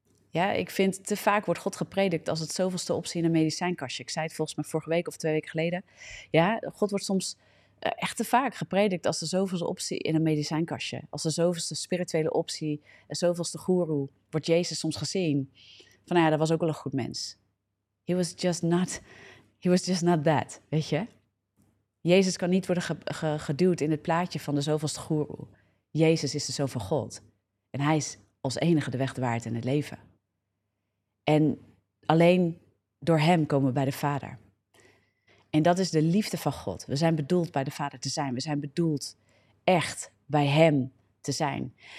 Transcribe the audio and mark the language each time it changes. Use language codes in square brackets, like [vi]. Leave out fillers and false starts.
[nl] Ja, ik vind te vaak wordt God gepredikt als het zoveelste optie in een medicijnkastje. Ik zei het volgens mij vorige week of twee weken geleden. Ja, God wordt soms echt te vaak gepredikt als de zoveelste optie in een medicijnkastje. Als de zoveelste spirituele optie, de zoveelste goeroe, wordt Jezus soms gezien. Van nou ja, dat was ook wel een goed mens. [en] He was just not that, [nl] weet je? Jezus kan niet worden geduwd in het plaatje van de zoveelste goeroe. Jezus is de Zoon van God. En hij is als enige de weg, de waarheid en het leven. En alleen door hem komen we bij de Vader. En dat is de liefde van God. We zijn bedoeld bij de Vader te zijn. We zijn bedoeld echt bij hem te zijn.